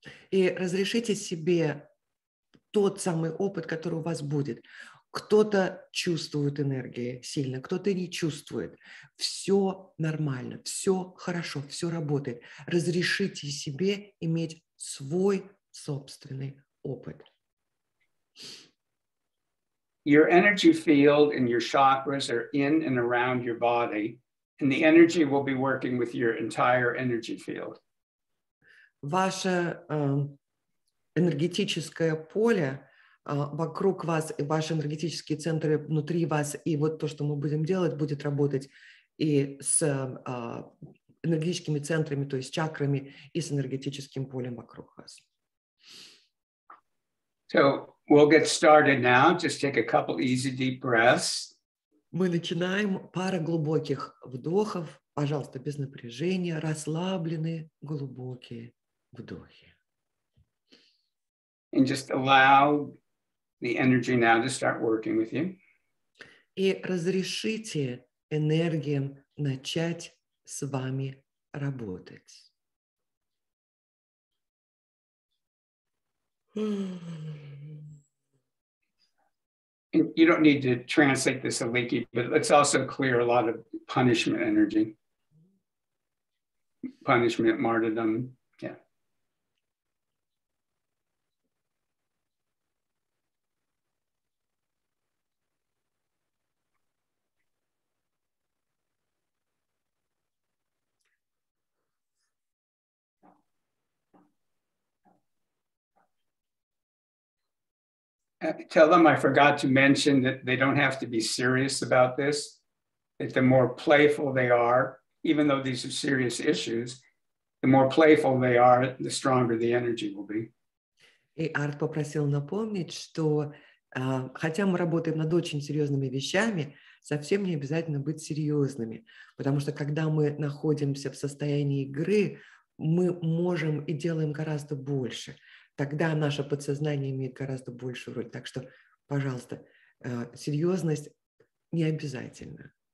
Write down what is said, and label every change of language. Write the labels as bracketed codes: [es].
[ru] И разрешите себе тот самый опыт, который у вас будет. Кто-то чувствует энергии сильно, кто-то не чувствует. Все нормально, все хорошо, все работает. Разрешите себе иметь свой собственный опыт. [en] Your energy field and your chakras are in and around your body, and the energy will be working with your entire energy field. [ru] Ваше энергетическое поле вокруг вас, и ваши энергетические центры внутри вас, и вот то, что мы будем делать, будет работать и с энергетическими центрами, то есть чакрами, и с энергетическим полем вокруг вас. [en] So, we'll get started now. Just take a couple easy deep breaths. [ru] Мы начинаем. Пара глубоких вдохов. Пожалуйста, без напряжения. Расслабленные, глубокие вдохи. [en] And just allow the energy now to start working with you. [ru] И разрешите энергиям начать с вами работать. [en] You don't need to translate this a leaky, but let's also clear a lot of punishment energy. Punishment, martyrdom, yeah. Tell them I forgot to mention that they don't have to be serious about this. That the more playful they are, even though these are serious issues, the more playful they are, the stronger the energy will be. [ru] И Арт попросил напомнить, что хотя мы работаем над очень серьезными вещами, совсем не обязательно быть серьезными, потому что когда мы находимся в состоянии игры, мы можем и делаем гораздо больше. Тогда наше подсознание имеет гораздо большую роль. Так что, пожалуйста, серьезность не обязательно.